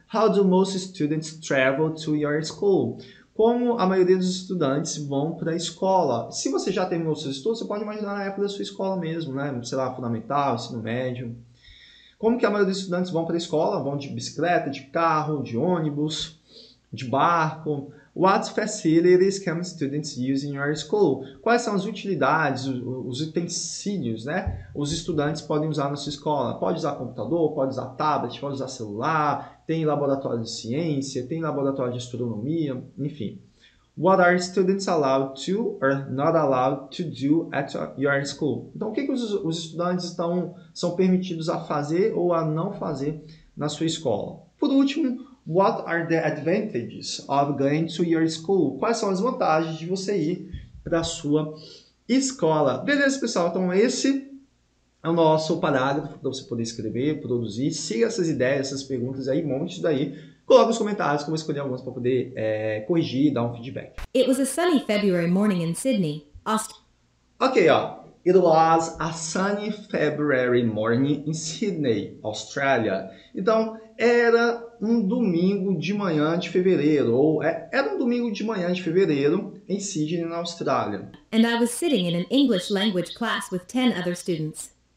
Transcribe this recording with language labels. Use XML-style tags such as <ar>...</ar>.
<en>How do most students travel to your school?</en> <pt>Como a maioria dos estudantes vão para a escola? Se você já terminou seus estudos, você pode imaginar na época da sua escola mesmo, né? Sei lá, fundamental, ensino médio. Como que a maioria dos estudantes vão para a escola? Vão de bicicleta, de carro, de ônibus, de barco. What facilities can students use in your school? Quais são as utilidades, os utensílios, né? Os estudantes podem usar na sua escola. Pode usar computador, pode usar tablet, pode usar celular. Tem laboratório de ciência, tem laboratório de astronomia, enfim.</pt> <en>What are students allowed to or not allowed to do at your school?</en> <pt>Então, o que, que os estudantes são permitidos a fazer ou a não fazer na sua escola? Por último,</pt> <en>what are the advantages of going to your school?</en> <pt>Quais são as vantagens de você ir para a sua escola? Beleza, pessoal? Então, esse é o nosso parágrafo para você poder escrever, produzir. Siga essas ideias, essas perguntas aí, monte isso daí. Coloque nos comentários como escolher algumas para poder corrigir e dar um feedback.</pt> <en>It was a sunny February morning in Sydney. Ok, ó. It was a sunny February morning in Sydney, Australia.</en> <pt>Então, era um domingo de manhã de fevereiro, ou era um domingo de manhã de fevereiro em Sydney, na Austrália.</pt> <en>And I was sitting in an English language class with 10 other students.</en>